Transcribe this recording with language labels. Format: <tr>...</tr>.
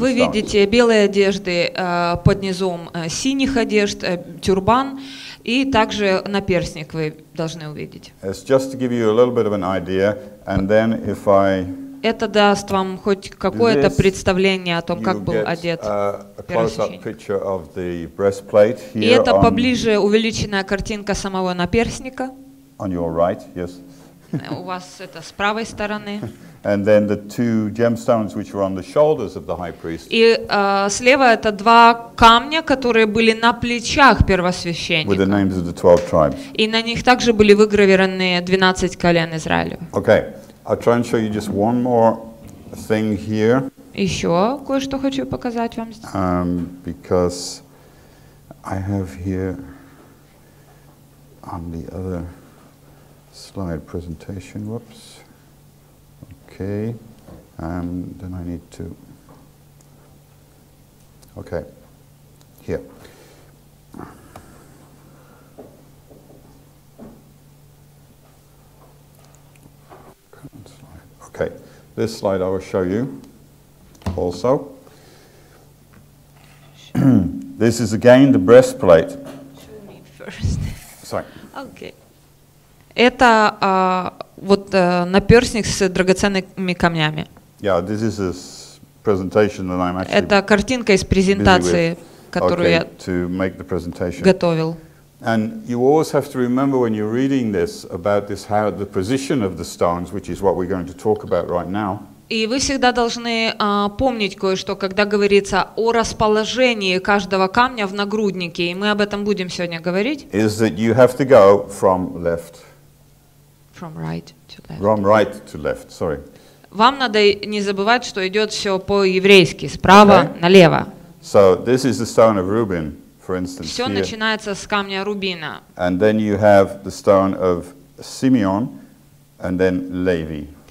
<ru>Вы видите белые одежды под низом синих одежд, тюрбан, и также наперсник вы должны увидеть.</ru> <en>It's just to give you a little bit of an idea, and then if I</en> <ru>это даст вам хоть какое-то представление о том, как был одет первосвященник. И это поближе увеличенная картинка самого наперсника.</ru> <en>On your right, yes.</en> <ru>У вас это с правой стороны.</ru> <en>And then the two gemstones, which were on the shoulders of the high priest.</en> <ru>И слева это два камня, которые были на плечах первосвященника.</ru> <en>With the names of the 12 tribes.</en> <ru>И на них также были выгравированы 12 колен Израиля.</ru> <en>Okay. I'll try and show you just one more thing here.</en> <ru>Еще кое-что хочу показать вам здесь.</ru> <en>Because I have here on the other slide presentation. Whoops. Okay. Then I need to. Okay. Here. Okay, this slide I will show you also. This is again the breastplate. Show me first. Sorry. Okay.</en> <ru>Это вот наперсник с драгоценными камнями.</ru> <en>Yeah, this is a presentation that I'm actually.</en> <ru>Это картинка из презентации, которую я готовил.</ru> <en>And you always have to remember when you're reading this about this how the position of the stones, which is what we're going to talk about right now.</en> <ru>И вы всегда должны помнить кое-что, когда говорится о расположении каждого камня в нагруднике, и мы об этом будем сегодня говорить.</ru> <en>Is that you have to go from left? From right to left. From right to left. Sorry.</en> <ru>Вам надо не забывать, что идет все по-еврейски, справа налево.</ru> <en>So this is the stone of Reuben. For instance,</en> <ru>все начинается с камня рубина.</ru> <en>And then you have the stone of Simeon, and then Levi.</en>